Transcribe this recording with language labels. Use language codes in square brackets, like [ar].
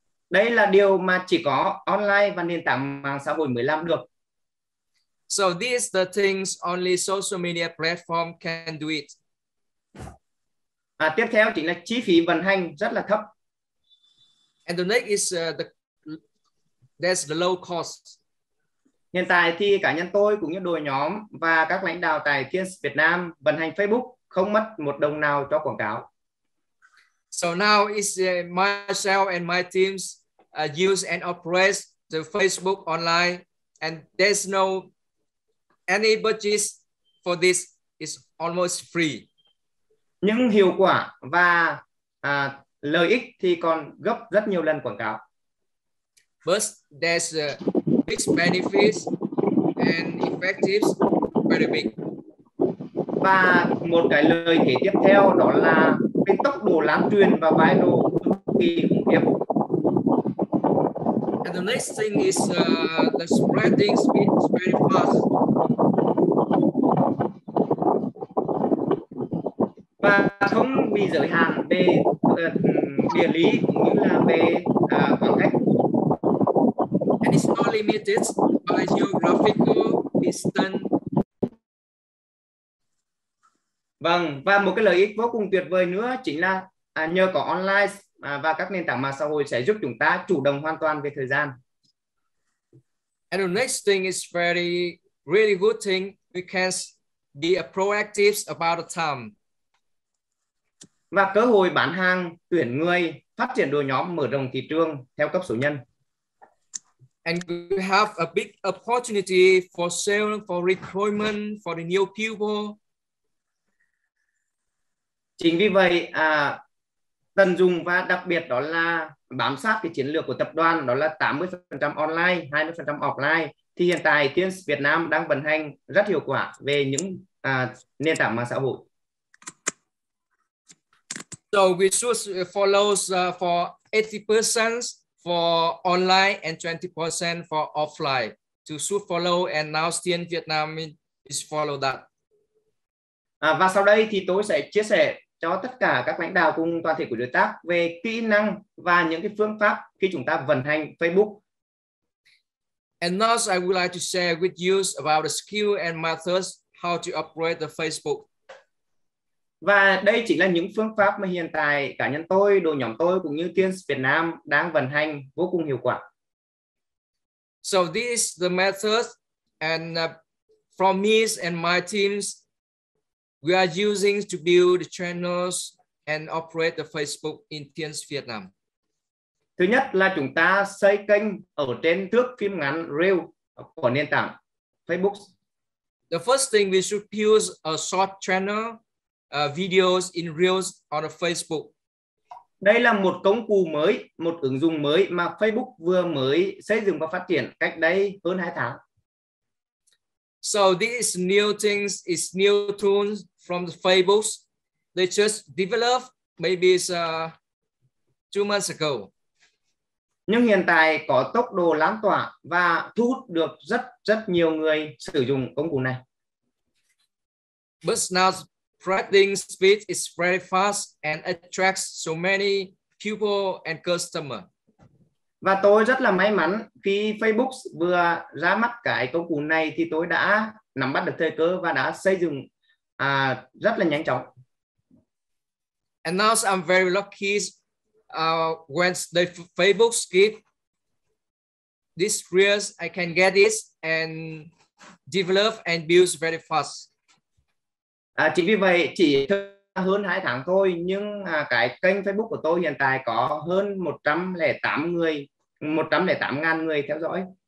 [vi] Đây là điều mà chỉ có online và nền tảng mạng xã hội mới làm được. [en] So these the things only social media platform can do it. [vi] Tiếp theo chính là chi phí vận hành rất là thấp. [en] And the next is the low cost. [vi] Hiện tại thì cá nhân tôi cũng như đội nhóm và các lãnh đạo tại Thiên Việt Nam vận hành Facebook không mất một đồng nào cho quảng cáo. [en] So now it's myself and my teams use and operate the Facebook online and there's no any budget for this. It's almost free. [vi] Những hiệu quả và lợi ích thì còn gấp rất nhiều lần quảng cáo. [en] First, there's a big benefits and effective very big. [vi] Và một cái lời thế tiếp theo đó là cái tốc độ lan truyền và viral cực kỳ khủng khiếp. [en] And the next thing is the spreading speed is very fast. [vi] Và không bị giới hạn về địa lý cũng như là về khoảng cách. [en] And it's not limited by geographical distance. [vi] Vâng, và một cái lợi ích vô cùng tuyệt vời nữa chính là nhờ có online và các nền tảng mạng xã hội sẽ giúp chúng ta chủ động hoàn toàn về thời gian. [en] And the next thing is very really good thing, we can be a proactive about the time. [vi] Và cơ hội bán hàng, tuyển người, phát triển đội nhóm, mở rộng thị trường theo cấp số nhân. [en] And we have a big opportunity for sale, for recruitment, for the new people. [vi] Chính vì vậy, tận dụng và đặc biệt đó là bám sát cái chiến lược của tập đoàn, đó là 80% online, 20% offline. Thì hiện tại, Teams Việt Nam đang vận hành rất hiệu quả về những nền tảng mạng xã hội. [en] So we choose follows for 80% for online and 20% for offline. To shoot follow and now Teams Việt Nam is follow that. [vi] Và sau đây thì tôi sẽ chia sẻ cho tất cả các lãnh đạo cùng toàn thể của đối tác về kỹ năng và những cái phương pháp khi chúng ta vận hành Facebook. [en] And now I would like to share with you about the skill and methods how to operate the Facebook. [vi] Và đây chính là những phương pháp mà hiện tại cá nhân tôi, đội nhóm tôi cũng như Teams Việt Nam đang vận hành vô cùng hiệu quả. [en] So this is the methods and from me and my teams we are using to build the channels and operate the Facebook in Teams Vietnam. [vi] Thứ nhất là chúng ta xây kênh ở trên thước phim ngắn Reel của nền tảng Facebook. [en] The first thing we should build a short channel videos in Reels on Facebook. [vi] Đây là một công cụ mới, một ứng dụng mới mà Facebook vừa mới xây dựng và phát triển cách đây hơn 2 tháng. [en] So these new things is new tools from the Facebook. They just developed maybe it's 2 months ago. [vi] Nhưng hiện tại có tốc độ lan tỏa và thu hút được rất nhiều người sử dụng công cụ này. [en] But now spreading speed is very fast and attracts so many people and customers. [vi] Và tôi rất là may mắn khi Facebook vừa ra mắt cái công cụ này thì tôi đã nắm bắt được thời cơ và đã xây dựng rất là nhanh chóng. [en] And now I'm very lucky when the Facebook give this reels, I can get this and develop and build very fast. [vi] Chỉ vì vậy chỉ hơn 2 tháng thôi nhưng cái kênh Facebook của tôi hiện tại có hơn 108.000 người theo dõi.